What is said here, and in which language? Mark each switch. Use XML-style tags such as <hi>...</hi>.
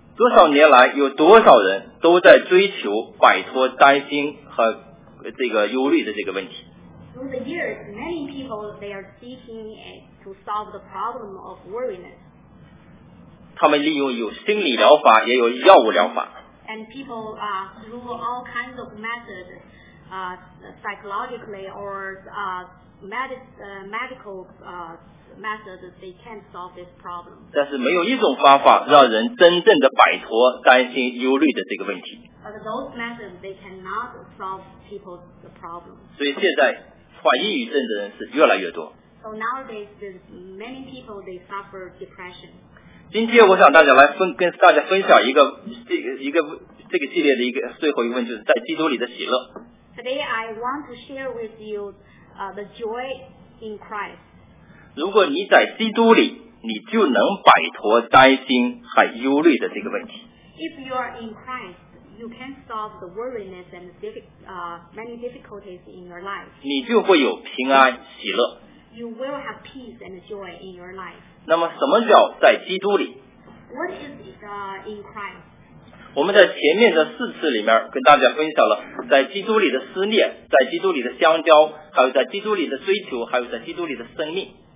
<zh>多少年来，有多少人都在追求摆脱担心和这个忧虑的这个问题。</zh> <en>Through the years, many people they are seeking to solve the problem of worryness.</en> <zh>他们利用有心理疗法，也有药物疗法。</zh> <en>And people through all kinds of methods. Psychologically or medical methods, they can't solve this problem.</en> <zh>但是没有一种方法让人真正的摆脱担心忧虑的这个问题。</zh> <en>But those methods, they cannot solve people's problem.</en> <zh>所以现在患抑郁症的人是越来越多。</zh> <en>So nowadays, many people they suffer depression.</en> <zh>今天我想大家来跟大家分享一个系列的一个最后一个问题，就是在基督里的喜乐。</zh> <en>Today I want to share with you the joy in Christ.</en> <zh>如果你在基督里，你就能摆脱担心和忧虑的这个问题。</zh> <en>If you are in Christ, you can solve the worryness and many difficulties in your life.</en> <zh>你就会有平安喜乐。</zh> <en>You will have peace and joy in your life.</en> <zh>那么什么叫在基督里？</zh> <en>What is in Christ?</en> <zh>我们在前面的四次里面跟大家分享了在基督里的思念，在基督里的相交，还有在基督里的追求，还有在基督里的生命。</zh>